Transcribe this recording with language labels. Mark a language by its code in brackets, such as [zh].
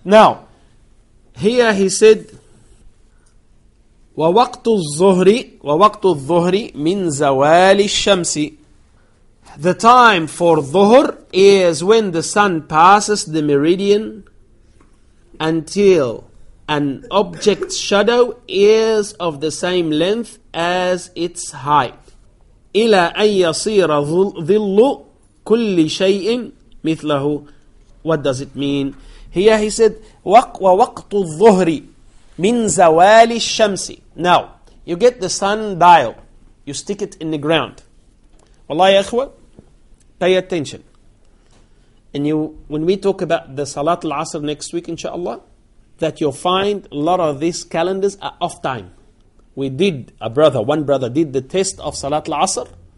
[en] Now, here he said, [ar] وَوَقْتُ الظُّهْرِ مِنْ زَوَالِ الشَّمْسِ, [en] the time for dhuhr is when the sun passes the meridian until an object's shadow is of the same length as its height. [ar] إلى أن يصير ظل كل شيء مثله. [en] What does it mean? Here he said, [ar] ووقت الظهر من زوال الشمس. [en] Now, you get the sun dial. You stick it in the ground. Wallahi akhwa, pay attention. And you, when we talk about the Salat al-Asr next week, inshallah, that you'll find a lot of these calendars are off time. We did, one brother did the test of Salat al-Asr.